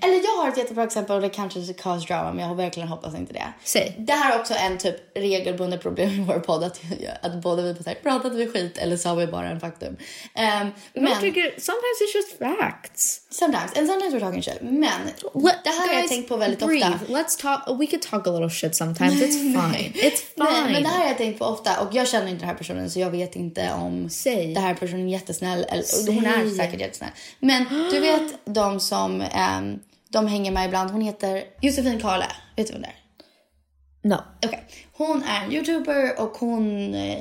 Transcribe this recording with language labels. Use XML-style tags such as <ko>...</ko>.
<sv>Eller jag har ett jättebra exempel, och det kanske är cause drama, men jag har verkligen hoppas inte det. Säg. Det här är också en typ regelbundet problem i vår podd, att både vi pratar att vi skit, eller så har vi bara en faktum. Men jag tycker,</sv> <en>sometimes it's just facts. Sometimes, and sometimes we're talking shit.</en> <sv>Men, det här har jag tänkt på väldigt ofta.</sv> <en>Let's talk, we could talk a little shit sometimes, it's fine. It's fine.</en> <sv>Men, det här har jag tänkt på ofta, och jag känner inte den här personen, så jag vet inte om den här personen är jättesnäll. Hon är säkert jättesnäll. Men du vet de som de hänger med ibland. Hon heter Josefin Karle. Vet du vem det är?</sv> <en>No. Okay.</en> <sv>Hon är en youtuber och hon...</sv>